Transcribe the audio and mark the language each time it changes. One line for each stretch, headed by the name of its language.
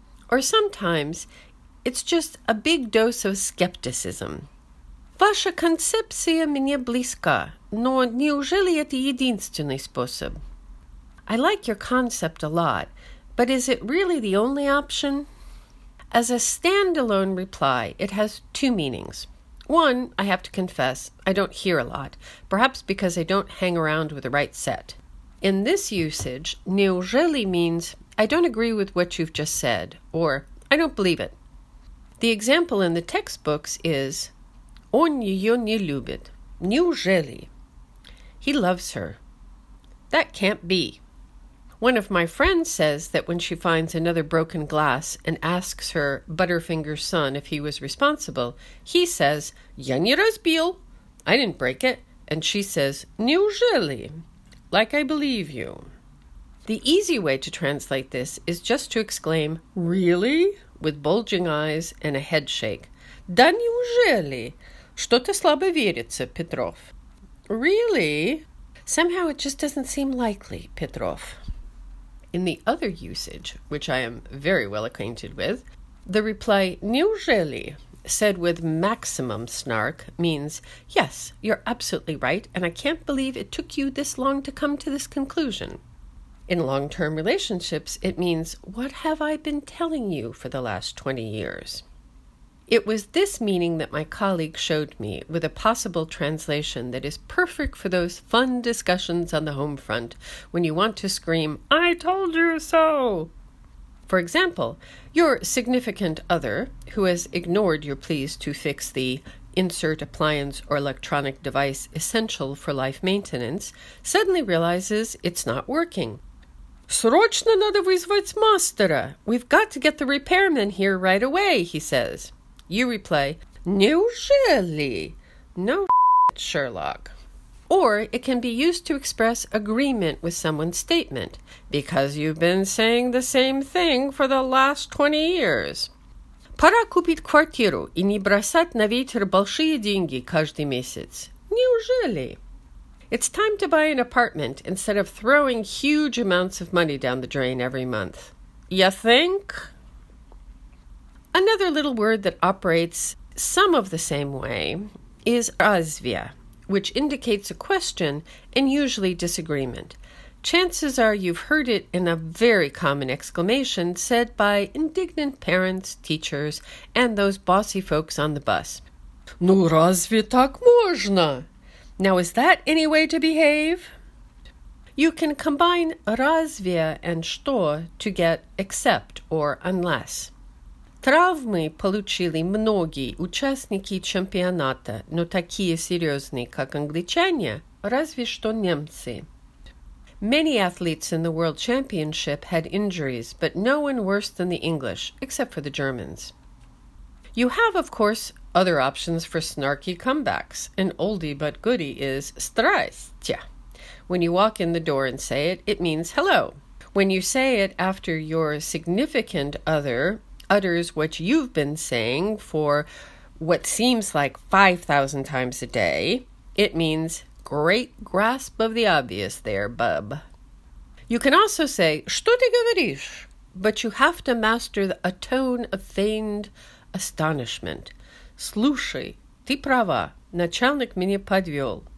English: Or sometimes, it's just a big dose of skepticism.
Russian: Ваша концепция мне близка, но неужели это единственный способ?
English: I like your concept a lot, but is it really the only option? As a standalone reply, it has two meanings. One, I have to confess, I don't hear a lot, perhaps because I don't hang around with the right set. In this usage, неужели means, I don't agree with what you've just said, or I don't believe it. The example in the textbooks is,
Russian: он ее не любит. Неужели?
English: He loves her. That can't be. One of my friends says that when she finds another broken glass and asks her Butterfinger son if he was responsible, he says,
Russian: Я не разбил.
English: I didn't break it. And she says,
Russian: Неужели?
English: Like I believe you. The easy way to translate this is just to exclaim, Really? With bulging eyes and a head shake.
Russian: Да неужели? Что-то слабо верится, Петров.
English: Really? Somehow it just doesn't seem likely, Петров. In the other usage, which I am very well acquainted with, the reply, неужели, said with maximum snark, means, yes, you're absolutely right, and I can't believe it took you this long to come to this conclusion. In long-term relationships, it means, what have I been telling you for the last 20 years? It was this meaning that my colleague showed me with a possible translation that is perfect for those fun discussions on the home front when you want to scream, I told you so! For example, your significant other, who has ignored your pleas to fix the insert appliance or electronic device essential for life maintenance, suddenly realizes it's not working.
Russian: Срочно надо вызвать мастера!
English: We've got to get the repairman here right away, he says. You reply, неужели? No shit, Sherlock. Or it can be used to express agreement with someone's statement, because you've been saying the same thing for the last 20 years.
Russian: Пора купить квартиру и не бросать на ветер большие деньги каждый месяц. Неужели?
English: It's time to buy an apartment instead of throwing huge amounts of money down the drain every month. You think? Another little word that operates some of the same way is razvia, which indicates a question and usually disagreement. Chances are you've heard it in a very common exclamation said by indignant parents, teachers, and those bossy folks on the bus.
Russian: Ну разве так можно?
English: Now is that any way to behave? You can combine разве and что to get except or unless.
Russian: Травмы получили многие участники чемпионата, но такие серьезные, как англичане, разве что немцы.
English: Many athletes in the World Championship had injuries, but no one worse than the English, except for the Germans. You have, of course, other options for snarky comebacks. An oldie but goodie is «Здрасте». When you walk in the door and say it, it means hello. When you say it after your significant other utters what you've been saying for what seems like 5,000 times a day, it means great grasp of the obvious there, bub. You can also say,
Russian: что ты говоришь?
English: But you have to master a tone of feigned astonishment.
Russian: Слушай, ты права, начальник меня подвел.